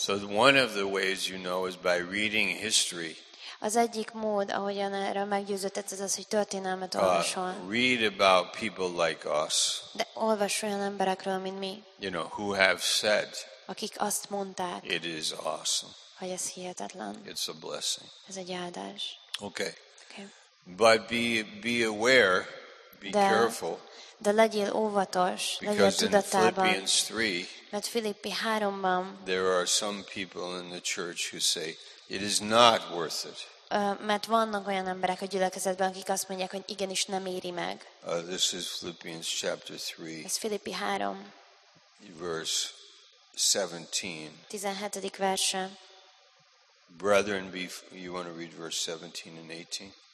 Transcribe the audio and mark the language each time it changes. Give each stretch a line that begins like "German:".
English: So one of the ways you know is by reading history.
Hungarian: Az egyik mód, ahogyan erről meggyőződhetsz, az az, hogy történelmet olvasol.
English: Read about people like us.
Hungarian: De olvas olyan emberekről, mint mi.
English: You know, who have said.
Hungarian: Akik azt mondták.
English: It is awesome.
Hungarian: Hogy ez hihetetlen.
English: It's a blessing.
Hungarian: Ez egy áldás.
English: Okay. But be aware, be careful.
Hungarian: De legyél óvatos, legyél tudatában.
English: Because in Philippians 3, there are some people in the church who say it is not worth it.
Hungarian: Mert vannak olyan emberek a gyülekezetben, akik azt mondják, hogy igenis nem éri meg.
English: This is Philippians chapter 3.
Hungarian: Ez Filippi 3.
English: Verse 17.
Hungarian: 17. verse.
English: Brethren, you want to read verse 17 and 18?